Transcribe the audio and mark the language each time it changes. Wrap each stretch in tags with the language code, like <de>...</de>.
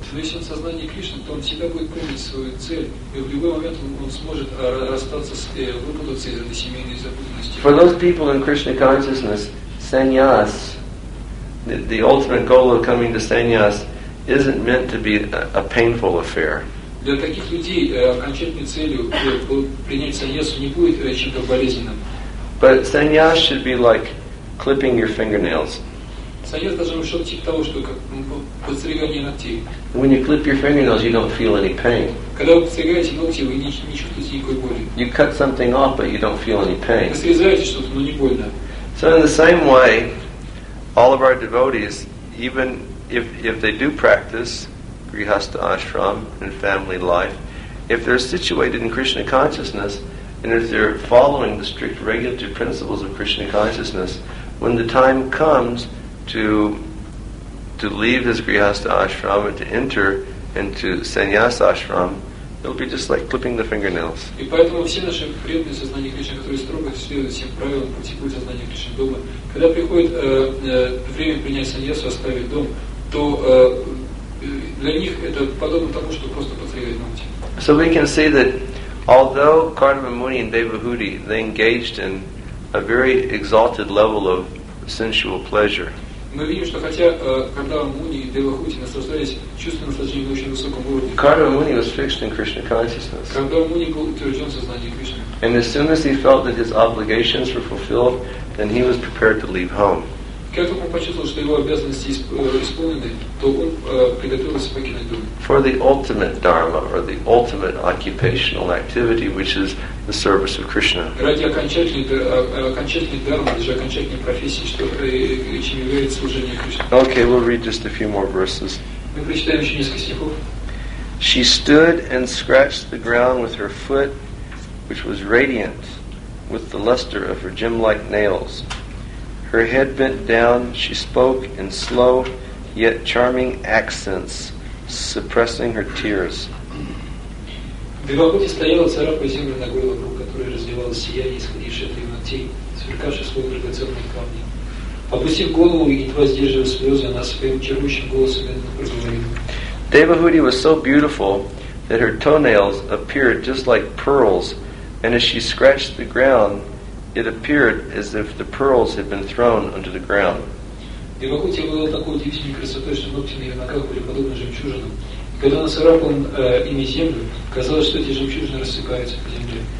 <en>For those people in Krishna consciousness, sannyas, the ultimate goal of coming to sannyas isn't meant to be a painful affair.</en> <ru>Для таких людей окончательной целью принять саньясу не будет чем-то болезненным.</ru> <en>But sannyas should be like clipping your fingernails.</en> <ru>Саньяс должен быть что-то типа того, что как подстригание ногтей.</ru> <en>When you clip your fingernails, you don't feel any pain.</en> <ru>Когда вы подстригаете ногти, вы не чувствуете никакой боли.</ru> <en>You cut something off, but you don't feel any pain.</en> <ru>Вы срезаете что-то, но не больно.</ru> <en>So in the same way, all of our devotees, even if they do practice grihastha ashram and family life, if they're situated in Krishna consciousness, and if they're following the strict regulative principles of Krishna consciousness, when the time comes to leave this grihastha ashram and to enter into sannyas ashram, it'll be just like clipping the fingernails.</en> <ru>И поэтому все наши преданные сознания Кришны, которые строго следуют всем правилам пути путь сознания Кришны дома, когда приходит время принять саньясу, оставить дом, то для них это подобно тому, что просто подстригать ногти.</ru> <en>So we can see that although Kardama Muni and Devahuti, they engaged in a very exalted level of sensual pleasure.</en> <ru>Мы видим, что хотя Кардама Муни и Девахути наслаждались чувственным наслаждением на очень высоком уровне.</ru> <en>Кардама Муни was fixed in Krishna consciousness.</en> <ru>Кардама Муни был утвержден в сознании Кришны.</ru> <en>And as soon as he felt that his obligations were fulfilled, then he was prepared to leave home.</en> <ru>Как только он почувствовал, что его обязанности исполнены, то он приготовился покинуть дом.</ru> <en>For the ultimate dharma, or the ultimate occupational activity, which is the service of Krishna.</en> <ru>Ради окончательной дармы, даже окончательной профессии, что чем является служение Кришне.</ru> <en>Okay, we'll read just a few more verses.</en> <ru>Мы прочитаем еще несколько стихов.</ru> <en>She stood and scratched the ground with her foot, which was radiant with the luster of her gem-like nails. Her head bent down, she spoke in slow yet charming accents, suppressing her tears.</en> <ru>Девахути стояла, царапая землю ногой вокруг, которая развивалась сияние, исходившее от ее ногтей, сверкавшее словно драгоценные камни. Опустив голову и едва сдерживая слезы, она своим чарующим голосом проговорила.</ru> <en>Девахути was so beautiful that her toenails appeared just like pearls, and as she scratched the ground, it appeared as if the pearls had been thrown under the ground.</en> <ru>Девахути была такой удивительной красотой, что ногти на ее ногах были подобны жемчужинам. И когда она царапала ими землю, казалось, что эти жемчужины рассыпаются по земле.</ru>